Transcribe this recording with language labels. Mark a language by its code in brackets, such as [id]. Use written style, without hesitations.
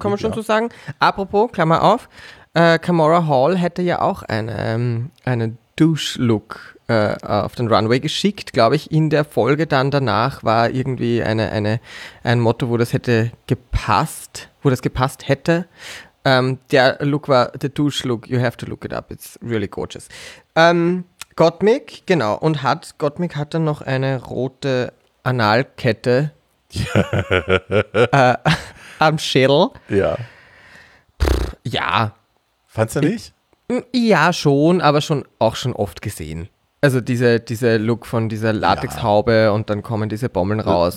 [de] kann man schon so sagen. Apropos, Klammer auf. Kamora Hall hätte ja auch eine Douche-Look auf den Runway geschickt, glaube ich, in der Folge dann danach war irgendwie ein Motto, wo das gepasst hätte. Der Look war, [en] the douche look, you have to look it up, it's really gorgeous. [de] Gottmik, genau, und Gottmik hat dann noch eine rote Analkette am Schädel. Ja. Ja. Fandst du nicht? Ja, schon, aber schon oft gesehen. Also diese Look von dieser Latexhaube und dann kommen diese Bommeln raus.